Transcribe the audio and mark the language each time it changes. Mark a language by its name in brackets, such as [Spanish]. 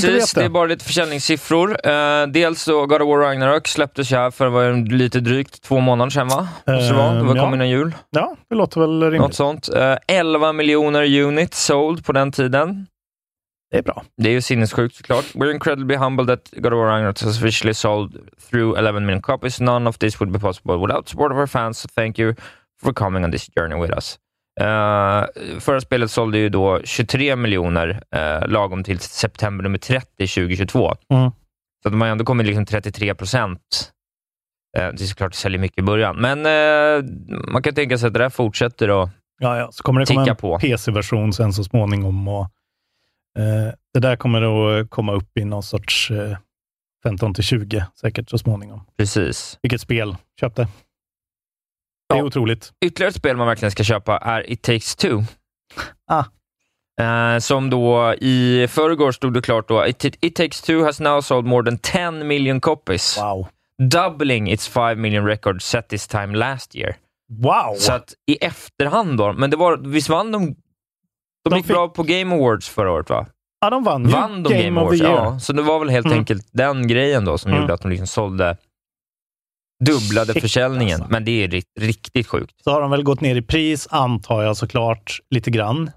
[Swedish] som inte vet det är bara lite försäljningssiffror. Dels så God of War Ragnarök släpptes här för var lite drygt 2 månader sedan, va? Det var kommande jul. Ja, det låter väl rimligt. Något sånt. 11 miljoner [English] units sold [Swedish] på den tiden. Det är bra. Det är ju sinnessjukt såklart. [English] We're incredibly humbled that God of War Ragnarok has officially sold through 11 million copies. None of this would be possible without support of our fans. So thank you for coming on this journey with us. [Swedish] Förra spelet sålde ju då 23 miljoner lagom till september nummer 30 2022. Mm. Så de har ändå kommit liksom 33%. Det är såklart säljer mycket i början. Men man kan tänka sig att det där fortsätter att ticka på. Ja, så kommer det komma en PC-version sen så småningom och det där kommer att komma upp i någon sorts 15-20 säkert så småningom. Precis. Vilket spel köpte. Det är otroligt. Ytterligare ett spel man verkligen ska köpa är It Takes Two. Ah. Som då i förrgår stod det klart då. [English] It Takes Two has now sold more than 10 million copies. Wow. Doubling its 5 million record set this time last year. Wow. [Swedish] Så att i efterhand då. Men det var, visst vann de... De gick bra på Game Awards förra året, va? Ja, de vann de Game Awards. Ja, så det var väl helt enkelt den grejen då som gjorde att de liksom sålde dubblade shit, försäljningen. Alltså. Men det är riktigt sjukt. Så har de väl gått ner i pris, antar jag såklart, lite grann.